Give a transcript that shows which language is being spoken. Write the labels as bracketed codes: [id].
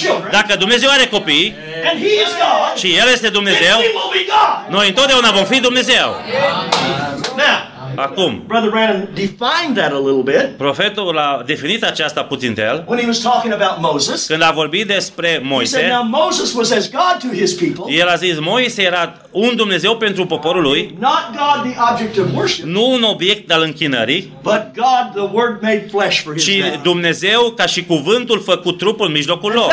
[ro] Dacă Dumnezeu are copii și El este Dumnezeu, noi întotdeauna vom fi Dumnezeu. Acum, [en] Brother Branham defined that a little bit. [ro] Profetul a definit aceasta puțin de el. [en] When he was talking about Moses, [ro] când a vorbit despre Moise, [en] he said, "Now Moses was as God to his people." [ro] El a zis, Moise era un Dumnezeu pentru poporul lui. [en] Not God, the object of worship. [ro] Nu un obiect al închinării. [en] But God, the Word made flesh for his people. [ro] Ci Dumnezeu ca și cuvântul făcut trup în mijlocul lor.